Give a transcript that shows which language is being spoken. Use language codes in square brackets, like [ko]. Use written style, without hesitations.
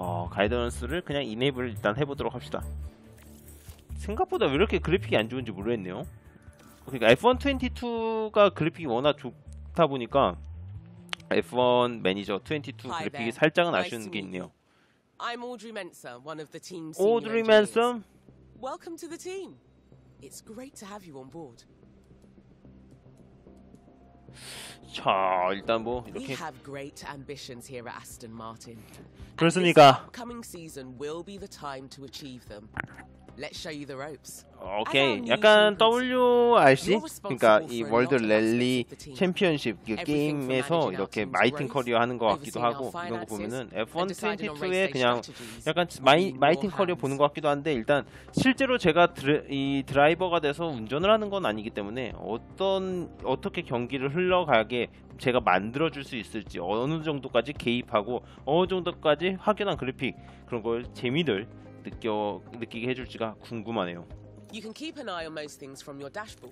[ko] 가이던스를 그냥 이네이블 일단 해보도록 합시다. 생각보다 왜 이렇게 그래픽이 안 좋은지 모르겠네요. 그러니까 F122가 그래픽이 워낙 좋다 보니까 F1 매니저 22 그래픽이 살짝은 아쉬운 게 있네요. [en] I'm Audrey Mensah, one of the team's senior engineers. Audrey Mensah? Welcome to the team. It's great to have you on board. [ko] 자, 일단 뭐 이렇게 [en] We have great ambitions here at Aston Martin. [ko] 그렇습니까? [en] And this coming season will be the time to achieve them. Let's show you the ropes. [ko] Okay, 약간 WRC? 그러니까 이 월드 랠리 챔피언십 게임에서 이렇게 마이팅 커리어 하는 것 같기도 하고 이런 거 보면은 F122에 그냥 약간 마이팅 커리어 보는 것 같기도 한데 일단 실제로 제가 이 드라이버가 돼서 운전을 하는 건 아니기 때문에 어떻게 경기를 흘러가게 제가 만들어줄 수 있을지 어느 정도까지 개입하고 어느 정도까지 확연한 그래픽 그런 걸 재미들 느끼게 해줄지가 궁금하네요. [en] You can keep an eye on most things from your dashboard.